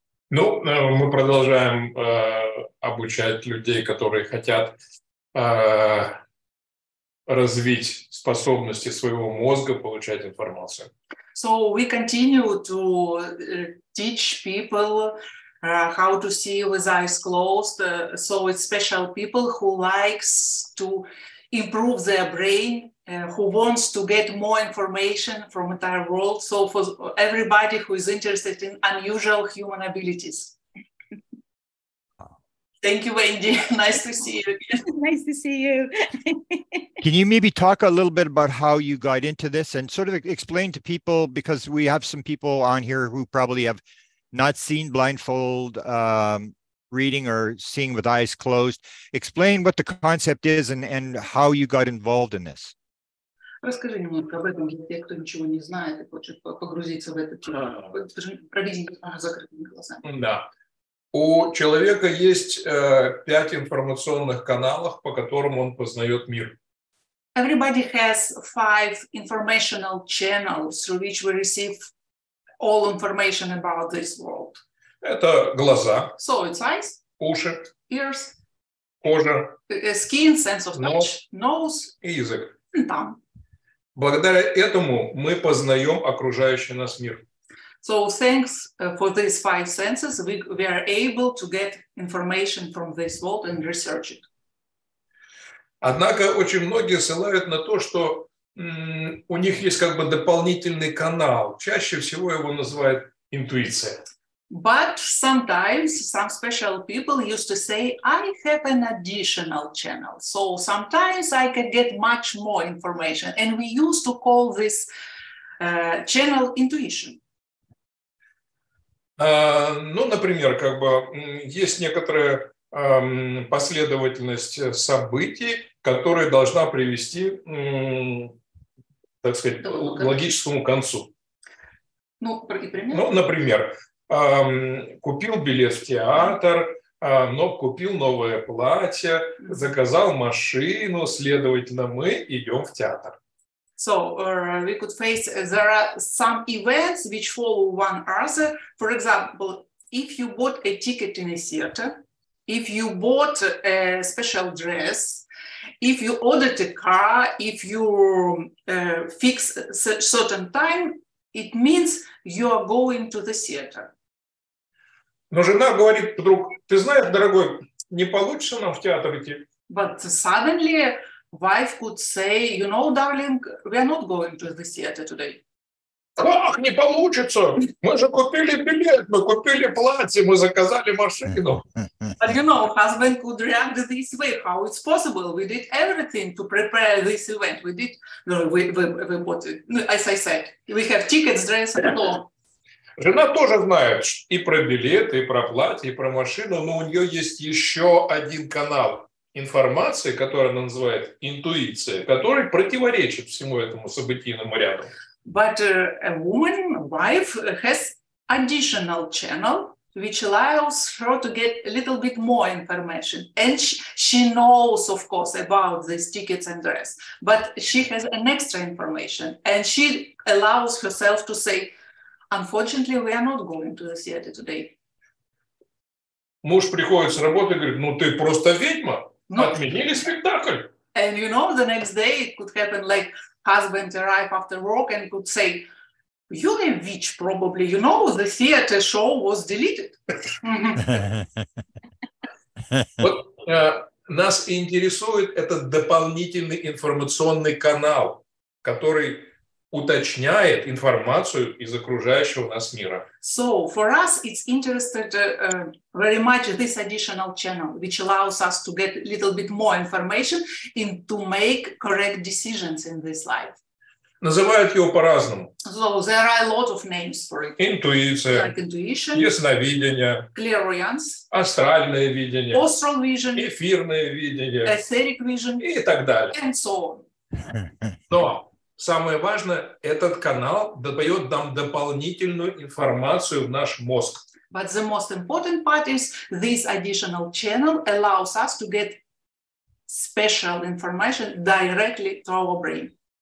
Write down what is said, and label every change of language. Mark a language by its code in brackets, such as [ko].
[ru] Ну, мы продолжаем обучать людей, которые хотят развить способности своего мозга получать информацию. [en] So we continue to teach people how to see with eyes closed. So it's special people who likes to improve their brain, who wants to get more information from the entire world. So for everybody who is interested in unusual human abilities. Thank you, Wendy. Nice to see you again. Nice to see you. Can you maybe talk a little bit about how you got into this and sort of explain to people, because we have some people on here who probably have not seen Blindfold reading or seeing with eyes closed. Explain what the concept is and how you got involved in this. [ru] Расскажи немного об этом для тех, кто ничего не знает и хочет погрузиться в этот провидение с закрытыми глазами. Да. У человека есть пять информационных каналов, по которым он познает мир. [en] Everybody has five informational channels through which we receive all information about this world. [ru] Это глаза. [en] So it's eyes. [ru] Уши. [en] Ears. [ru] Кожа. [en] Skin, sense of touch. Nose. [ru] И язык. [en] And tongue. [ru] Благодаря этому мы познаем окружающий нас мир. [en] So thanks for these five senses, we are able to get information from this world and research it. [ru] Однако очень многие ссылают на то, что у них есть как бы дополнительный канал. Чаще всего его называют интуиция. [en] But sometimes some special people used to say, I have an additional channel. So sometimes I can get much more information. And we used to call this channel intuition. [ru] Ну, например, как бы есть некоторая последовательность событий, которая должна привести, так сказать, к логическому концу. Ну, и пример? Ну, например. Купил билет в театр, но купил новое платье, заказал машину, следовательно, мы идем в театр. [en] So we could face, there are some events which follow one other. For example, if you bought a ticket in a theater, if you bought a special dress, if you ordered a car, if you fix a certain time, it means you are going to the theater. [ru] Но жена говорит, вдруг, ты знаешь, дорогой, не получится нам в театр идти. [en] But suddenly, wife could say, you know, darling, we are not going to the theater today. [ru] Как не получится? Мы же купили билет, мы купили платье, мы заказали машину. [en] But you know, husband could react this way. How it's possible? We did everything to prepare this event. We did, no, we bought it. As I said, we have tickets, dress, and all. [ru] Жена тоже знает и про билеты, и про платье, и про машину, но у нее есть еще один канал информации, который она называет интуицией, который противоречит всему этому событийному ряду. [en] But a woman, wife, has additional channel, which allows her to get a little bit more information. And she knows, of course, about these tickets and dress. But she has an extra information, and she allows herself to say, unfortunately, we are not going to the theater today. [ru] Муж приходит с работы и говорит, ну ты просто ведьма, отменили спектакль. [en] And you know, the next day it could happen like husband arrive after work and could say, you're a witch probably, you know, the theater show was deleted. [ru] Вот нас интересует этот дополнительный информационный канал, который уточняет информацию из окружающего нас мира. [en] So for us it's interested very much this additional channel, which allows us to get a little bit more information and to make correct decisions in this life. [ru] Называют его по-разному. [en] So there are a lot of names for it. [ru] Интуиция. [en] Like intuition. [ru] Ясновидение. [en] Clairvoyance. [ru] Астральное видение. [en] Astral vision. [ru] Эфирное видение. [en] Etheric vision. [ru] И так далее. [en] And so on. [ru] Но самое важное, этот канал дает нам дополнительную информацию в наш мозг. [en] But the most important part is this additional channel allows us to get special information directly to our brain.